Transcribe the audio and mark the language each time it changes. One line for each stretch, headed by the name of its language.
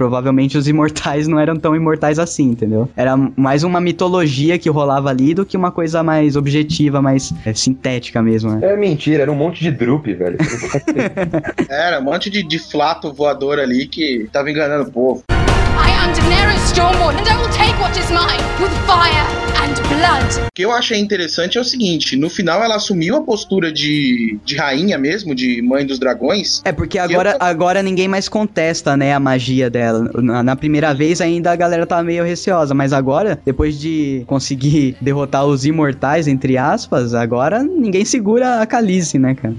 Portuguese: Provavelmente os imortais não eram tão imortais assim, entendeu? Era mais uma mitologia que rolava ali do que uma coisa mais objetiva, mais sintética mesmo, né? É mentira, era um monte de drupe, velho. Era um monte de flato voador ali que tava enganando o povo.
English: I am Daenerys Stormborn and I will take what is mine with fire.
Portuguese: O que eu achei interessante é o seguinte, no final ela assumiu a postura de rainha mesmo, de mãe dos dragões. É, porque agora ninguém mais contesta, né, a magia dela. Na primeira vez ainda a galera tava meio receosa, mas agora, depois de conseguir derrotar os imortais, entre aspas, agora ninguém segura a Khaleesi, né, cara?